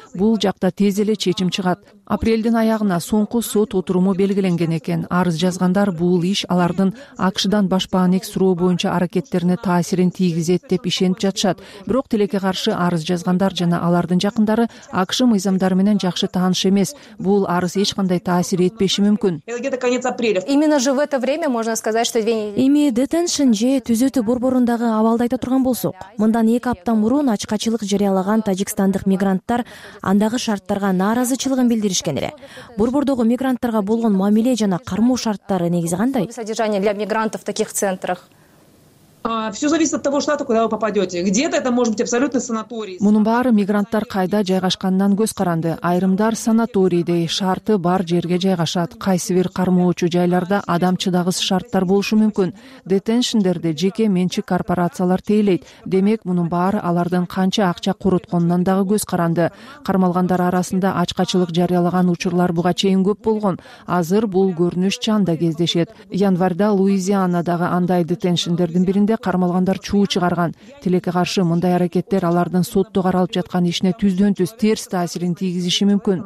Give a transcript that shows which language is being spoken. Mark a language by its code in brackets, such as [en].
[ky] Бул жакта тез эле чечим чыгат. Апрелдин аягына соңку сот отуруму белгиленген экен. Арыз жазгандар бул иш алардын АКШдан башпаанек суроо боюнча аракеттерине таасирин тийгизет деп ишенип жатышат. Бирок тилекке каршы арыз жазгандар жана алардын жакындары АКШ мыйзамдары менен жакшы тааныш эмес. Бул арыз эч кандай таасир этпеши мүмкүн. [ru] Именно же в это время можно сказать, что [ky] эми детеншн же түзөтүү борборундагы абалды айта турган болсок, мындан 2 апта мурун ачкачылык жарыялаган тажикстандык мигранттар андагы шарттарга нааразычылыгын билдиришкен эле. Борбордогу мигранттарга болгон мамиле жана кармоо шарттары негизи кандай? [ru] Содержание для мигрантов в таких центрах. Все зависит от того штата, куда вы попадете. Где-то это может быть абсолютно санаторий. [ky] Мунун баары мигранттар кайда жайгашканынан көз каранды. Айрымдар санаторийдей шарты бар жерге жайгашат. Кайсы бир кармоочу жайларда адам чыдагыс шарттар болушу мүмкүн. Детеншндерди жеке менчик корпорациялар тейлейт. Демек мунун баары алардын канча акча корутконунан дагы көз каранды. Кармалгандар арасында ачкачылык жарыялаган учурлар буга чейин көп болгон. Азыр бул көрүнүш чанда кездешет. Январда Луизианадагы андай детеншндердин биринде кезинде кармалгандар чуу чыгарган. Тилекке каршы мындай аракеттер алардын сотто каралып жаткан ишине түздөн-түз терс таасирин тийгизиши мүмкүн.